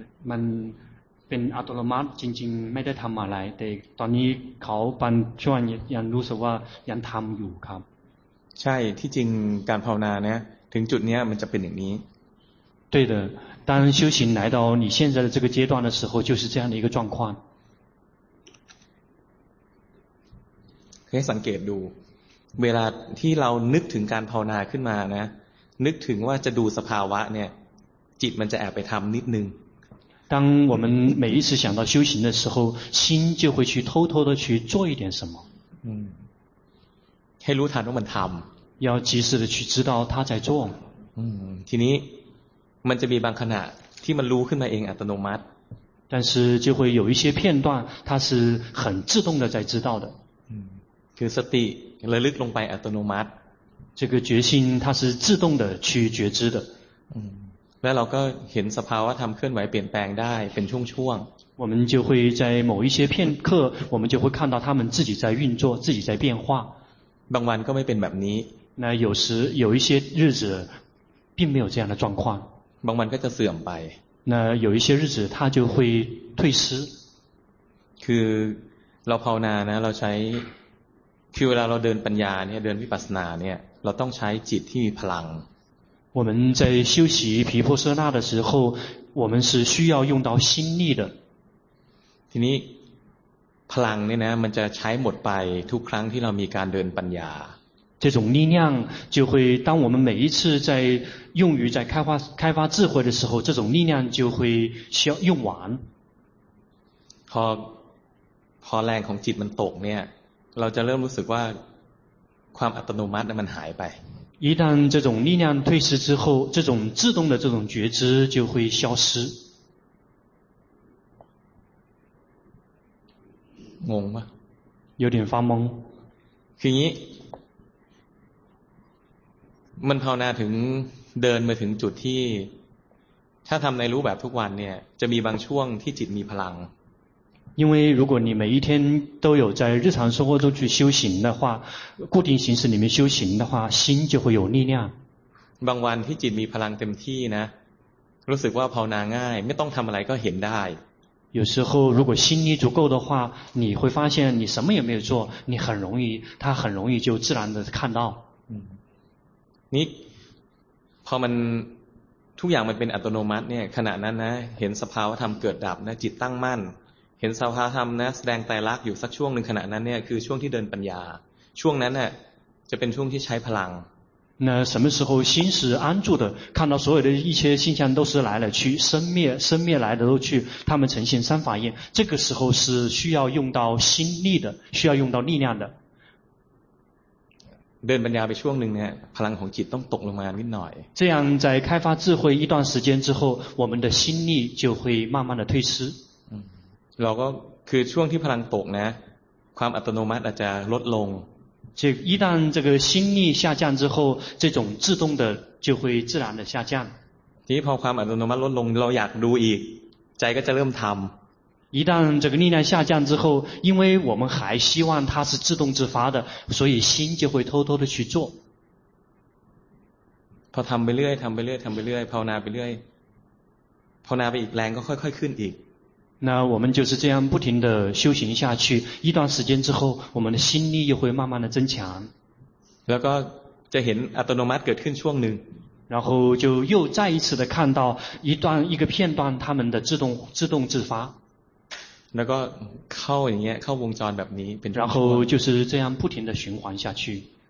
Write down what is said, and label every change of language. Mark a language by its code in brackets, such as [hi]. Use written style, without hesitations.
[th] มันเป็นอัตโนมัติจริงๆไม่ได้ทำอะไรแต่ตอนนี้เขาบางช่วงยังรู้สึกว่ายังทำอยู่ครับ ใช่ที่จริงการภาวนาเนี่ยถึงจุดนี้มันจะเป็นอย่างนี้ [zh] 对的，当修行来到你现在的这个阶段的时候，就是这样的一个状况。可以 [th] สังเกตดู，เวลาที่เรานึกถึงการภาวนาขึ้นมานะ，นึกถึงว่าจะดูสภาวะเนี่ย， จิตมันจะแอบไปทำนิดนึง [zh] 当我们每一次想到修行的时候心就会去偷偷的去做一点什么 [th] ให้รู้ทันว่ามันทำ [zh] 要及时的去知道他在做 [th] ทีนี้มันจะมีบางขณะที่มันรู้ขึ้นมาเองอัตโนมัติ [zh] 但是就会有一些片段它是很自动的在知道的 [th] คือสติระลึกลงไปอัตโนมัติ [zh] 这个决心它是自动的去觉知的 [th] แล้วเราก็เห็นสภาวะธรรมเคลื่อนไหวเปลี่ยนแปลงได้เป็นช่วง [zh] ๆ我们就会在某一些片刻我们就会看到他们自己在运作自己在变化 [th] บางวันก็ไม่เป็นแบบนี้ [zh] 那有时有一些日子并没有这样的状况 [th] บางวันก็จะเสื่อมไป [zh] 那有一些日子它就会退失 [th] คือเราภาวนานะเราใช้คือเวลาเราเดินปัญญาเนี่ยเดินวิปัสสนาเนี่ยเราต้องใช้จิตที่มีพลัง [zh] 我们在修习毗婆舍那的时候我们是需要用到心力的 [th] ทีนี้พลังเนี่ยนะมันจะใช้หมดไปทุกครั้งที่เรามีการเดินปัญญา [zh] 这种力量就会当我们每一次在用于在开发智慧的时候这种力量就会需要用完 [th] พอแรงของจิตมันตกเนี่ยเราจะเริ่มรู้สึกว่าความอัตโนมัติมันหายไป [zh] 一旦这种力量退失之后这种自动的这种觉知就会消失懵吗有点发懵 [th] คืองี้มันภาวนาถึงเดินมาถึงจุดที่ถ้าทำในรู้แบบทุกวันเนี่ยจะมีบางช่วงที่จิตมีพลัง [zh] 因为如果你每一天都有在日常生活中去修行的话固定形式里面修行的话心就会有力量 [th] บางวันที่จิตมีพลังเต็มที่นะรู้สึกว่าภาวนาง่ายไม่ต้องทำอะไรก็เห็นได้ [zh] 有时候如果心力足够的话你会发现你什么也没有做你很容易它很容易就自然的看到 [th] นี่พอมันทุกอย่างมันเป็นอัตโนมัติเนี่ยขณะนั้นนะเห็นสภาวะธรรมเกิดดับนะจิตตั้งมั่นเห็นสภาวะธรรมนะแสดงไตรลักษณ์อยู่สักช่วงหนึ่งขณะนั้นเนี่ยคือช่วงที่เดินปัญญาช่วงนั้นน่ะจะเป็นช่วงที่ใช้พลัง [zh] 那什么时候心是安住的看到所有的一切现象都是来了去生灭来的都去他们呈现三法印这个时候是需要用到心力的需要用到力量的 [th] เดินปัญญาไปช่วงหนึ่งเนี่ยพลังของจิตต้องตกลงมานิดหน่อย [zh] 这样在开发智慧一段时间之后我们的心力就会慢慢的退失 [th] เราก็คือช่วงที่พลังตกนะความอัตโนมัติอาจจะลดลง [zh] 这一旦这个心力下降之后这种自动的就会自然的下降 [th] ทีพอความอัตโนมัติลดลงเราอยากดูอีกใจก็จะเริ่มทำ [zh] 一旦这个力量下降之后因为我们还希望它是自动自发的所以心就会偷偷的去做 [th] พอทำไปเรื่อยทำไปเรื่อยภาวนาไปเรื่อยภาวนาไปอีกแรงก็ค่อยๆขึ้นอีก [zh] 那我们就是这样不停的修行下去一段时间之后我们的心力又会慢慢的增强 [th] แล้วก็จะเห็นอัตโนมัติเกิดขึ้นช่วงหนึ่ง [zh] 然后就又再一次的看到一个片段他们的自动自发 [th] แล้วก็เข้าอย่างเงี้ยเข้าวงจรแบบนี้เป็น [zh] 然后就是这样不停的循环下去